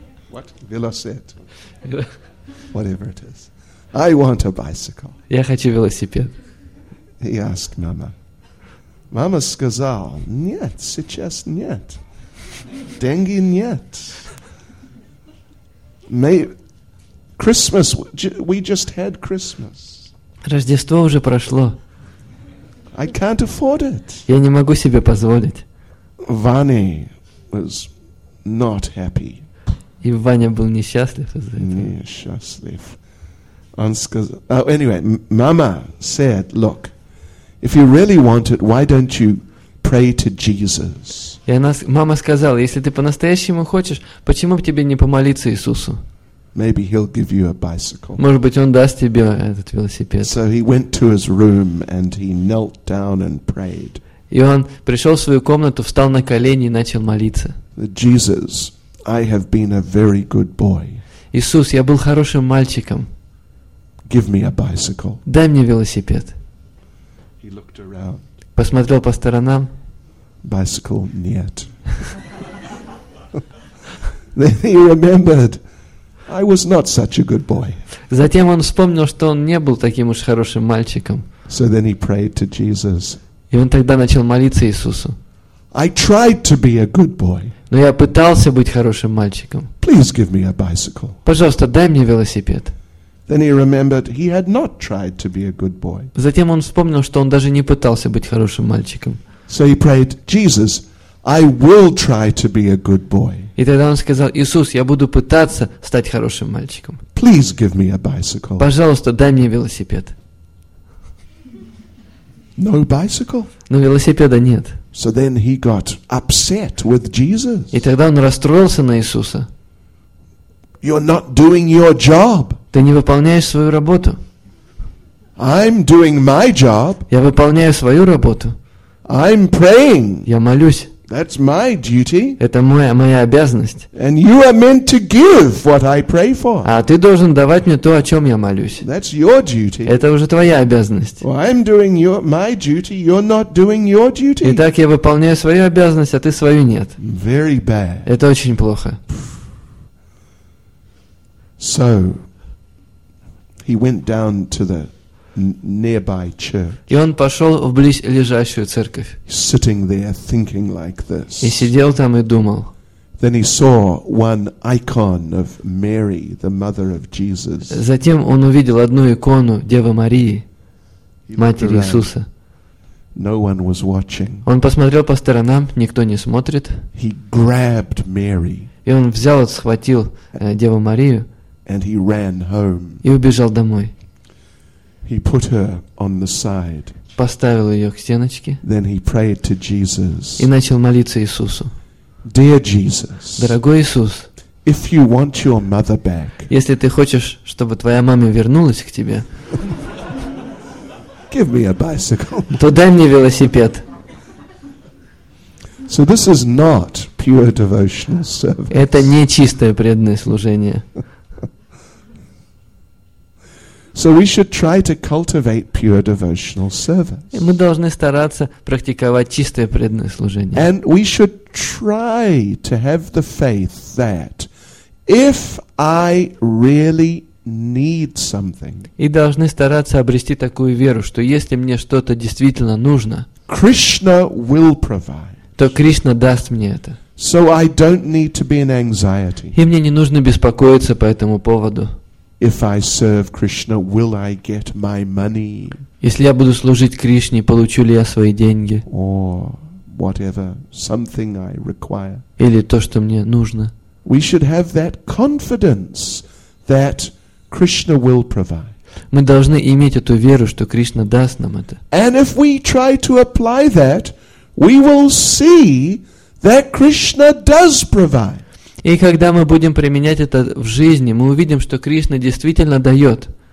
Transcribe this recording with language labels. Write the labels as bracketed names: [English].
[English] What? [Russian] Велосипед. [English] Whatever it is. I want a bicycle. [Russian] Я хочу велосипед. [English] He asked mama. [Russian] Мама сказал, нет, сейчас нет. Деньги нет. [English] Christmas, we just had Christmas. [Russian] Рождество уже прошло. [English] I can't afford it. [Russian] Я не могу себе позволить. [English] Vani was not happy. [Russian] И Ваня был несчастлив из-за этого. Несчастлив. Он сказал. [English] Oh, anyway, Mama said, look, if you really want it, why don't you pray to Jesus? [Russian] И она, мама сказала, если ты по-настоящему хочешь, почему бы тебе не помолиться Иисусу? [English] Maybe he'll give you a bicycle. [Russian] Может быть, он даст тебе этот велосипед. [English] So he went to his room and he knelt down and prayed. [Russian] И он пришел в свою комнату, встал на колени и начал молиться. [English] Jesus, I have been a very good boy. [Russian] Иисус, я был хорошим мальчиком. [English] Give me a bicycle. [Russian] Дай мне велосипед. [English] He looked around. [Russian] Посмотрел по сторонам. [English] Bicycle [Russian] нет. [English] Then he remembered. I was not such a good boy. [Russian] Затем он вспомнил, что он не был таким уж хорошим мальчиком. [English] So then he prayed to Jesus. [Russian] И он тогда начал молиться Иисусу. [English] I tried to be a good boy. [Russian] Но я пытался быть хорошим мальчиком. [English] Please give me a bicycle. [Russian] Пожалуйста, дай мне велосипед. [English] Then he remembered he had not tried to be a good boy. [Russian] Затем он вспомнил, что он даже не пытался быть хорошим мальчиком. [English] So he prayed, Jesus, I will try to be a good boy. [Russian] И тогда он сказал, Иисус, я буду пытаться стать хорошим мальчиком. [English] Please give me a bicycle. [Russian] Пожалуйста, дай мне велосипед. [English] No bicycle. [Russian] Но велосипеда нет. [English] So then he got upset with Jesus. [Russian] И тогда он расстроился на Иисуса. [English] You're not doing your job. [Russian] Ты не выполняешь свою работу. [English] I'm doing my job. [Russian] Я выполняю свою работу. [English] I'm praying. [Russian] Я молюсь. [English] That's my duty. [Russian] Это моя обязанность. [English] And you are meant to give what I pray for. [Russian] А ты должен давать мне то, о чем я молюсь. [English] That's your duty. [Russian] Это уже твоя обязанность. [English] Well, I'm doing my duty. You're not doing your duty. [Russian] Итак, я выполняю свою обязанность, а ты свою нет. [English] Very bad. [Russian] Это очень плохо. [English] So he went down to the nearby church. [Russian] И он пошел в близлежащую церковь. [English] Sitting there thinking like this. [Russian] И сидел там и думал. [English] Then he saw one icon of Mary, the mother of Jesus. [Russian] Затем он увидел одну икону Девы Марии, матери Иисуса. [English] No one was watching. [Russian] Он посмотрел по сторонам, никто не смотрит. [English] He grabbed Mary. [Russian] И он взял и схватил Деву Марию. [English] And he ran home. [Russian] И убежал домой. [English] He put her on the side. [Russian] Поставил ее к стеночке. [English] Then he prayed to Jesus. [Russian] И начал молиться Иисусу. [English] Dear Jesus. [Russian] Дорогой Иисус. [English] If you want your mother back. [Russian] Если ты хочешь, чтобы твоя мама вернулась к тебе. [English] Give me a bicycle. [Russian] То дай мне велосипед. [English] So this is not pure devotional service. [Russian] Это не чистое преданное служение. [English] So we should try to cultivate pure devotional service. [Russian] И мы должны стараться практиковать чистое преданное служение. [English] And we should try to have the faith that if I really need something. [Russian] И должны стараться обрести такую веру, что если мне что-то действительно нужно, [English] Krishna will provide. [Russian] То Кришна даст мне это. [English] So I don't need to be in anxiety. [Russian] И мне не нужно беспокоиться по этому поводу. [English] If I serve Krishna, will I get my money? [Russian] Если я буду служить Кришне, получу ли я свои деньги? [English] Or whatever something I require. [Russian] Или то, что мне нужно. [English] We should have that confidence that Krishna will provide. [Russian] Мы должны иметь эту веру, что Кришна даст нам это. [English] And if we try to apply that, we will see that Krishna does provide. [Russian] И когда мы будем применять это в жизни, мы увидим, что Кришна действительно дает.